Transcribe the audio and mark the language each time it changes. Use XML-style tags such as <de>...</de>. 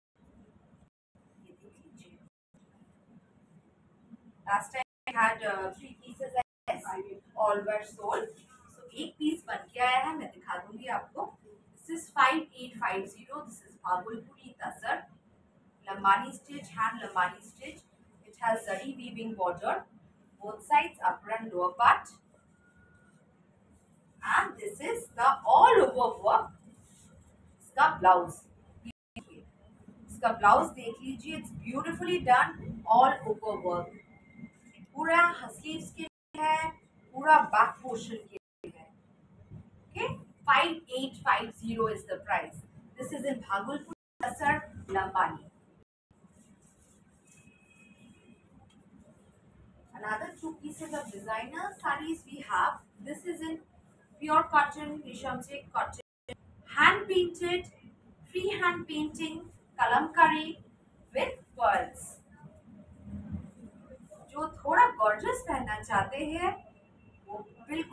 <hi>ये देख लीजिए,</hi> <en>last time I had three pieces all were sold,</en> <hi>सो एक पीस बन के आया है, मैं दिखा दूंगी आपको।</hi> <en>This is 5850, this is Bhagalpuri Dasar. Lambani stitch, hand Lambani stitch, it has zari weaving border both sides upper and lower part. And this is the all over work.</en> <hi>इसका ब्लाउज देखिए, इसका ब्लाउज देख लीजिए,</hi> <en>it's beautifully done all over work.</en> <hi>पूरा हस्लीव्स के लिए है, पूरा बैक पोर्शन के लिए है।</hi> <en>Okay, 5850 is the price. This is in Bhagalpur Dasar Lambani. Another two pieces of designer sarees we have. This is in pure cotton, निशमचे cotton, hand painted, free hand painting, Kalamkari with pearls.</en> <hi>जो थोड़ा gorgeous पहनना चाहते हैं वो बिल्कुल</hi>